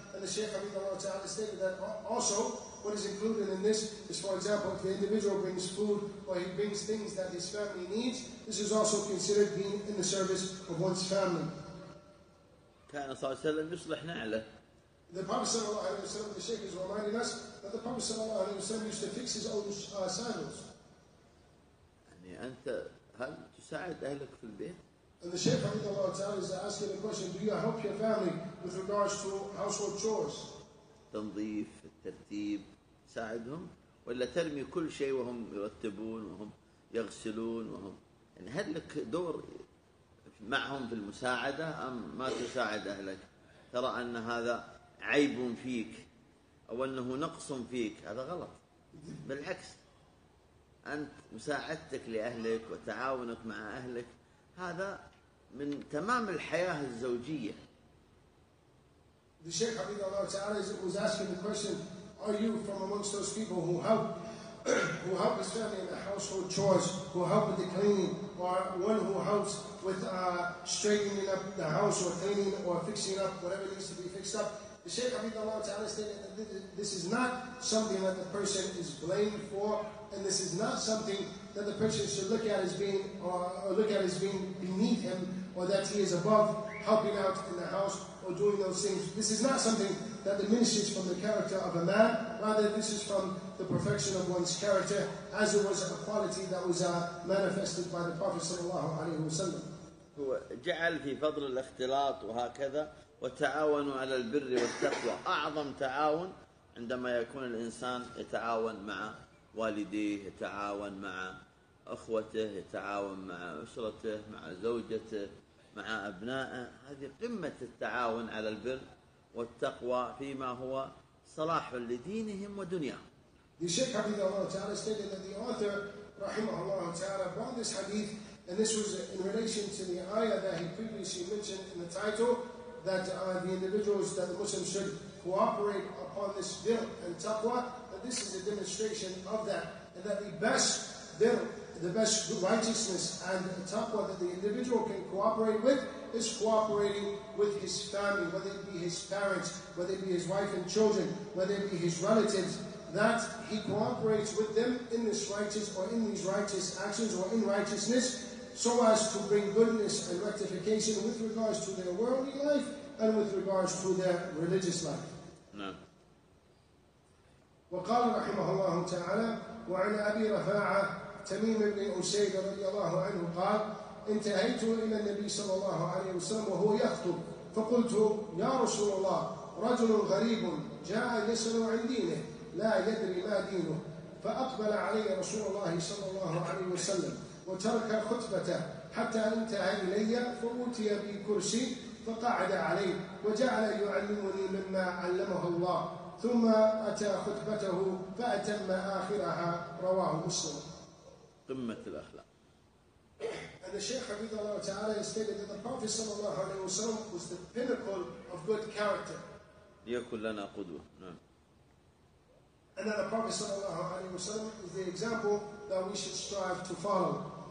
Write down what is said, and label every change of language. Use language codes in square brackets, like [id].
[en] And the Shaykh Hafidhullah Ta'ala stated that also what is included in this is, for example, if the individual brings food or he brings things that his family needs, this is also considered being in the service of one's family. [ar] كان صلى الله عليه وسلم يصلح نعله. [en] The Prophet صلى الله عليه وسلم, the Shaykh is reminding us that the Prophet صلى الله عليه وسلم used to fix his own sandals. [ar] يعني أنت هل تساعد أهلك في البيت؟ [en] And the Shaykh رضي الله تعالى is asking the question, do you help your family with regards to household chores? [ar] تنظيف، الترتيب، تساعدهم ولا ترمي كل شيء وهم يرتبون وهم يغسلون وهم يعني هل لك دور معهم في المساعدة أم ما تساعد أهلك؟ ترى أن هذا عيب فيك أو أنه نقص فيك، هذا غلط. بالعكس، أنت مساعدتك لأهلك وتعاونك مع أهلك هذا من تمام الحياة الزوجية. [en] The Sheikh Habib Allah Ta'ala was asking the question, are you from amongst those people who help his family in the household chores, who help with the cleaning, or one who helps with straightening up the house or cleaning or fixing up whatever needs to be fixed up? The Sheikh Habib Allah Ta'ala stated that this is not something that the person is blamed for, and this is not something that the person should look at as being or look at as being beneath him, or that he is above helping out in the house or doing those things. This is not something that diminishes from the character of a man. Rather, this is from the perfection of one's character, as it was a quality that was manifested by the Prophet sallallahu alaihi wasallam. [ar] هو جعل في فضل الاختلاط وهكذا وتعاون على البر والتقوى أعظم تعاون عندما يكون الإنسان يتعاون مع والديه، يتعاون مع أخوته، يتعاون مع أسرته، مع زوجته، مع أبنائه. هذه قمة التعاون على البر والتقوى فيما هو صلاح لدينهم ودنياهم. [en] The Sheikh Habib Allah Ta'ala stated that the author رحمه الله تعالى brought this hadith, and this was in relation to the ayah that he previously mentioned in the title, that the individuals that the Muslims should cooperate upon this dhir and taqwa, that this is a demonstration of that, and that the best dhir, the best righteousness and taqwa that the individual can cooperate with is cooperating with his family, whether it be his parents, whether it be his wife and children, whether it be his relatives, that he cooperates with them in this righteous or in these righteous actions or in righteousness, so as to bring goodness and rectification with regards to their worldly life and with regards to their religious life. No. [ar] وقال رحمه الله تعالى وعن أبي رفاعة تميم بن أسيد رضي الله عنه قال انتهيت إلى النبي صلى الله عليه وسلم وهو يخطب فقلت يا رسول الله رجل غريب جاء يسأل عن دينه لا يدري ما دينه فأقبل علي رسول الله صلى الله عليه وسلم وترك خطبته حتى انتهى إلي فأوتي بي كرسي فقعد عليه وجعل يعلمني مما علمه الله ثم أتى خطبته فأتم آخرها رواه مسلم. قمة الأخلاق. [en] And the Shaykh Habib Allah Ta'ala has stated that the Prophet sallallahu alayhi wa sallam was the pinnacle of good character. [ar] ليكن لنا قدوة. [en] And that the Prophet sallallahu alayhi wa sallam is the example that we should strive to follow.